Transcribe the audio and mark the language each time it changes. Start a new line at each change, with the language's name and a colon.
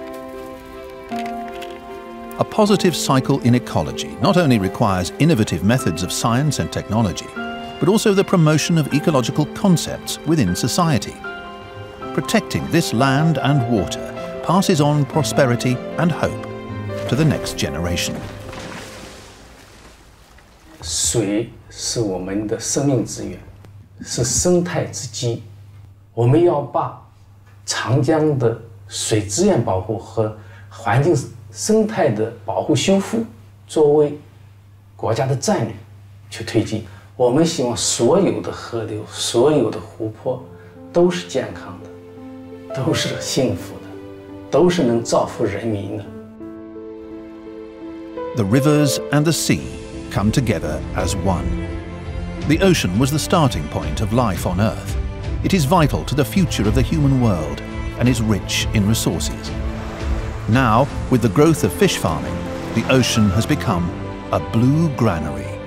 English: A positive cycle in ecology not only requires innovative methods of science and technology, but also the promotion of ecological concepts within society. Protecting this land and water passes on prosperity and hope to the next generation.
Chinese: 水是我们的生命资源，是生态之基。我们要把长江的水资源保护和环境生态的保护修复作为国家的战略去推进。我们希望所有的河流、所有的湖泊都是健康的，都是幸福的，都是能造福人民的。
English: The rivers and the sea come together as one. The ocean was the starting point of life on Earth. It is vital to the future of the human world and is rich in resources. Now, with the growth of fish farming, the ocean has become a blue granary.